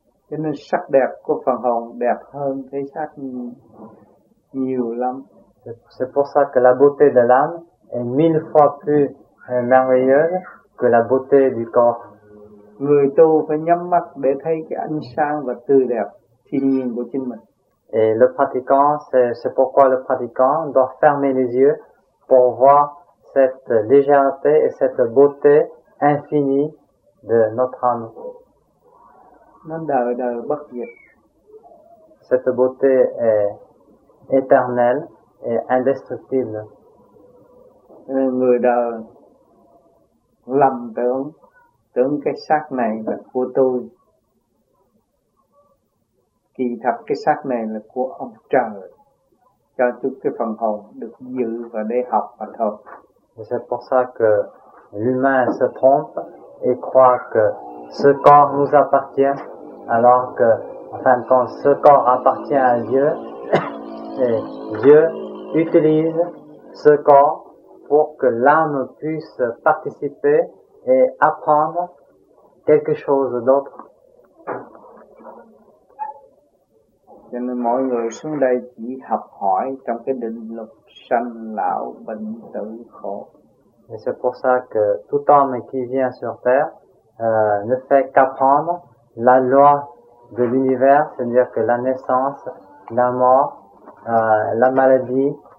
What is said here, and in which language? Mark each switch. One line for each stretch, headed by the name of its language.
Vietnamese: Cho nên sắc đẹp của phần hồn đẹp hơn cái xác nhiều lắm.
French: C'est pour ça que la beauté de l'âme est mille fois plus merveilleuse que la beauté du corps.
Vietnamese: Người tu phải nhắm mắt để thấy cái ánh sáng và tươi đẹp thiên nhiên của chính mình.
French: Et le pratiquant, c'est pourquoi le pratiquant doit fermer les yeux pour voir cette légèreté et cette beauté infinie de notre âme.
Vietnamese: Nên đời đời bất diệt.
French: Cette beauté est éternelle et indestructible.
Vietnamese: Người đời lầm tưởng cái xác này là của tôi, kỳ thật cái xác này là của ông trời cho chúng cái phần hồn được giữ và để học mà thôi.
French: C'est pour ça que l'humain se trompe et croit que ce corps nous appartient, alors que en fin de compte ce corps appartient à Dieu et Dieu utilise ce corps pour que l'âme puisse participer et apprendre quelque chose d'autre.
Vietnamese: Cho nên mọi người xuống đây chỉ học hỏi trong cái định luật sanh lão bệnh tử khổ.
French: Et c'est pour ça que tout homme qui vient sur terre ne fait qu'apprendre la loi de l'univers, c'est-à-dire que la naissance, la mort, la maladie,